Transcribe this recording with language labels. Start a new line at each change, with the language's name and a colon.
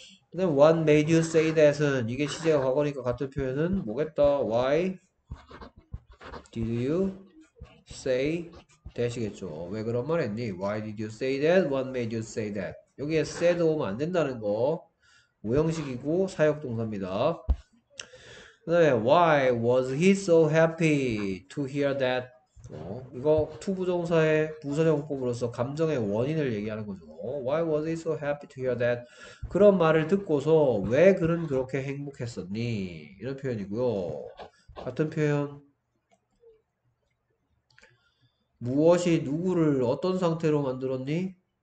Korean: 근데
English: what made you say that
Korean: 은 이게 시제가 과거니까 같은 표현은 뭐겠다. Why?
English: Did you say that
Korean: 이겠죠? 왜 그런 말 했니?
English: Why did you say that? What made you say that?
Korean: 여기에 said 오면 안 된다는 거. 오형식이고 사역 동사입니다. 그다음에
English: why was he so happy to hear that?
Korean: 이거 to 부정사의 부사정법으로서 감정의 원인을 얘기하는 거죠.
English: Why was he so happy to hear that?
Korean: 그런 말을 듣고서 왜 그는 그렇게 행복했었니? 이런 표현이고요. 같은 표현. 무엇이 누구를 어떤 상태로 만들었니?